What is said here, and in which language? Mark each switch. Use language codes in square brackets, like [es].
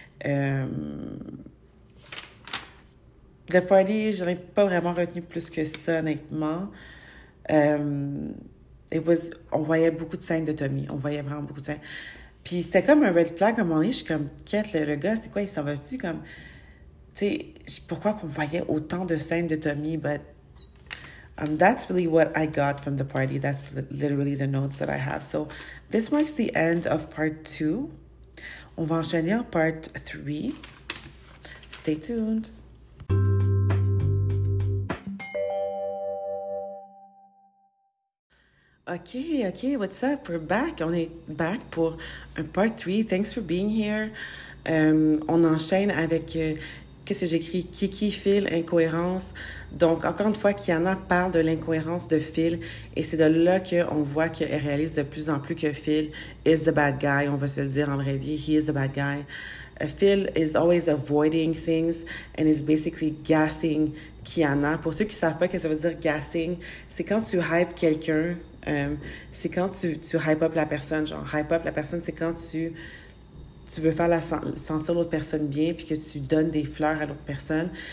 [fr] Le party, je n'ai pas vraiment retenu plus que ça, honnêtement. On voyait beaucoup de scènes de Tommy. On voyait vraiment beaucoup de scènes. Puis c'était comme un red flag à un moment donné. Je suis comme, quête, le gars, c'est quoi, il s'en va-tu? Comme, tu sais, pourquoi qu'on voyait autant de scènes de Tommy? [en] But that's really what I got from the party. That's literally the notes that I have. So this marks the end of part two. [fr] On va enchaîner en part three. [en] Stay tuned. OK, what's up? We're back. [fr] On est back pour un part 3. [en] Thanks for being here. [fr] On enchaîne avec, qu'est-ce que j'écris? Kiki, Phil, incohérence. Donc, encore une fois, Kiana parle de l'incohérence de Phil. Et c'est de là qu'on voit qu'elle réalise de plus en plus que Phil [en] is the bad guy. [fr] On va se le dire en vraie vie, [en] he is the bad guy. Phil is always avoiding things and is basically gassing Kiana. [fr] Pour ceux qui ne savent pas ce que ça veut dire gassing, c'est quand tu hypes quelqu'un. C'est quand tu hype up la personne, genre hype up la personne, c'est quand tu veux faire sentir l'autre personne bien, puis que tu donnes des fleurs à l'autre personne.